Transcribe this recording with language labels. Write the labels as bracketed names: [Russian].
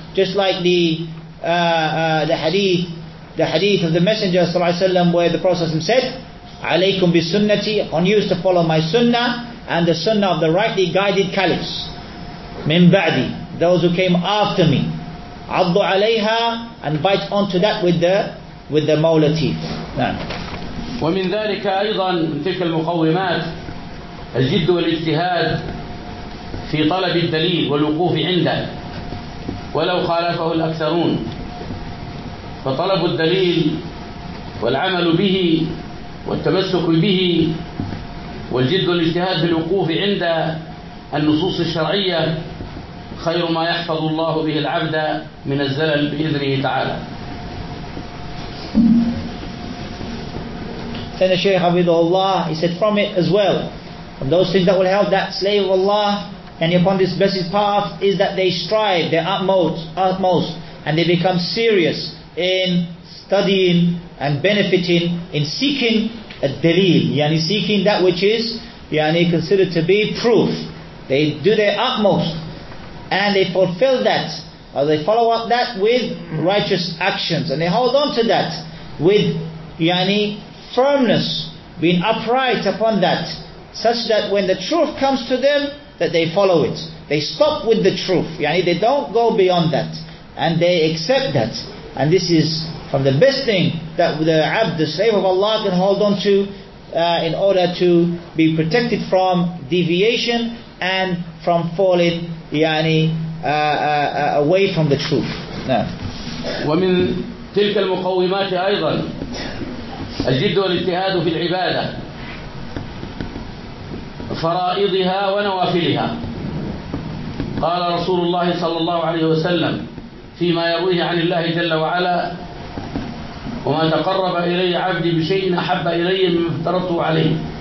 [English] Just like the hadith of the Messenger sallallahu alayhi wa sallam, where the Prophet said, [Arabic] عليكم بسنتي, [English] on you is to follow my sunnah and the sunnah of the rightly guided caliphs. [Arabic] من بعدي, [English] those who came after me. [Arabic] عضوا عليها, [English] and bite onto that with the molar teeth. [Arabic] ومن ذلك أيضا من تلك المقومات الجد والاجتهاد في طلب الدليل والوقوف عنده ولو خالفه الأكثرون. فطلب الدليل والعمل به والتمسك به والجد والاجتهاد في الوقوف عند النصوص الشرعية خير ما يحفظ الله به العبد من الزلل بإذنه تعالى. [English] Then the Shaykh Abidu Allah, he said, from it as well, from those things that will help that slave of Allah and upon this blessed path, is that they strive their utmost and they become serious in studying and benefiting in seeking a dalil, yani seeking that which is yani considered to be proof. They do their utmost and they fulfill that, or they follow up that with righteous actions, and they hold on to that with yani firmness, being upright upon that, such that when the truth comes to them, that they follow it. They stop with the truth, yani they don't go beyond that, and they accept that. And this is from the best thing that the abd, the slave of Allah, can hold on to in order to be protected from deviation and from falling yani away from the truth. [Arabic] ومن تلك المقومات أيضا الجد والاجتهاد في العبادة فرائضها ونوافلها. قال رسول الله صلى الله عليه وسلم فيما يرويه عن الله جل وعلا: وما تقرب إلي عبدي بشيء أحب إلي مما افترضته عليه،